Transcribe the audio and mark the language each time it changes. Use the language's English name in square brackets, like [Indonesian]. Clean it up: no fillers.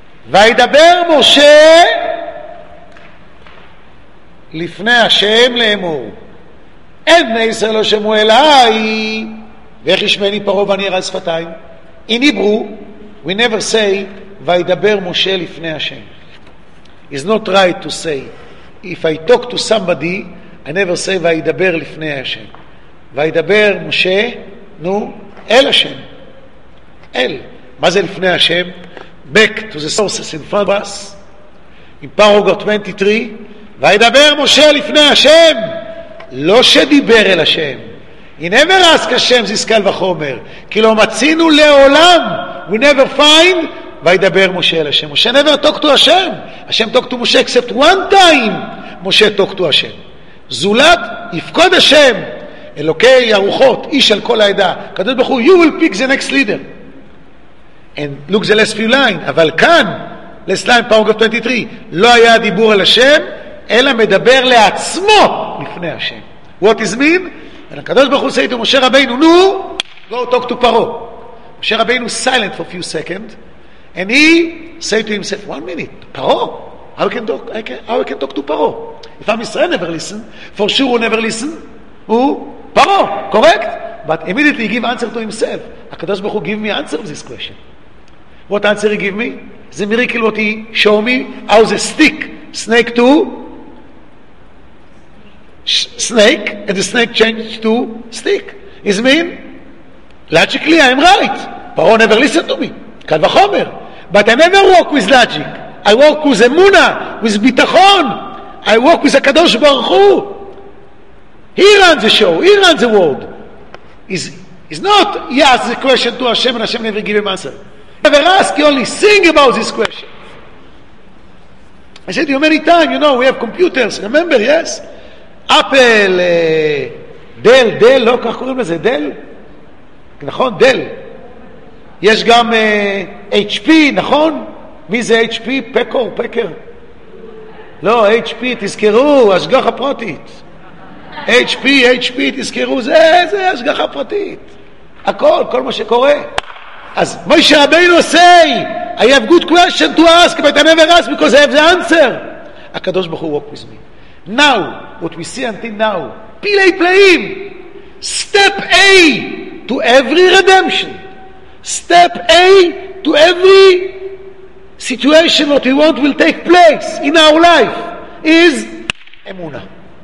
[Hebrew] וידבר משה לפני השם לאמור, אין בני ישראל לא שמעו אליי, ואיך ישמעני פרעה ואני ארע שפתיים. [English] In Hebrew, we never say [Hebrew] וידבר משה לפני השם. [English] It's not right to say, if I talk to somebody, I never say [Hebrew] וידבר לפני השם. וידבר משה, נו, אל השם. אל. מה זה לפני השם? [English] Back to the sources in front of us. [Hebrew] In paragraph 23, וידבר משה לפני השם, לא שדיבר אל השם. [English] He never asked [Hebrew] השם, זה סקל וחומר. כי לא מצינו לעולם, [English] we never find, [Hebrew] וידבר משה אל השם. [English] משה never talk to השם. השם talk to משה, except one time, משה talk to השם. [Hebrew] זולת, יפקוד השם, אלוקי הרוחות, איש על כל העדה. [English] קדוש ברוך הוא, you will pick the next leader. And look the last few lines. [Hebrew] אבל כאן, [English] last line, paragraph 23, [Hebrew] לא היה דיבור על השם, אלא מדבר לעצמו לפני השם. [English] What is mean? And הקדוש ברוך הוא say to משה רבינו, נו, go talk to פרעה. משה רבינו silent for a few seconds, and he say to himself, one minute, פרעה? How I can talk to פרעה? If I'm Israel, never listen. For sure, he never listen. [Hebrew] הוא פרעה, correct? [English] But immediately he give answer to himself. הקדוש ברוך הוא give me answer to this question. What answer he give me? The miracle what he show me, how the stick, snake to snake, and the snake changed to stick. Is mean? Logically, I am right. Paro never listened to me. Kal v'chomer. But I never walk with logic. I walk with emuna, with bitachon. I walk with HaKadosh Baruch Hu. He runs the show. He runs the world. He's not, he asked the question to Hashem, and Hashem never gave him answer. Never ask, you only sing about this question. I said to you many times, you know, we have computers, remember, yes? [Hebrew] Apple, Dell, לא כך קוראים לזה, Dell? נכון, Dell. יש גם HP, נכון? מי זה HP? פקר? לא, HP, תזכרו, השגחה פרטית. HP, תזכרו, זה השגחה פרטית. הכל, כל מה שקורה. [English] אז משה רבינו say, I have good question to ask, but I never ask because I have the answer. הקדוש ברוך הוא walk with me. Now, what we see until now, [Hebrew] פילי פלאים, [English] step A to every redemption, step A to every situation what we want will take place in our life, is אמונה.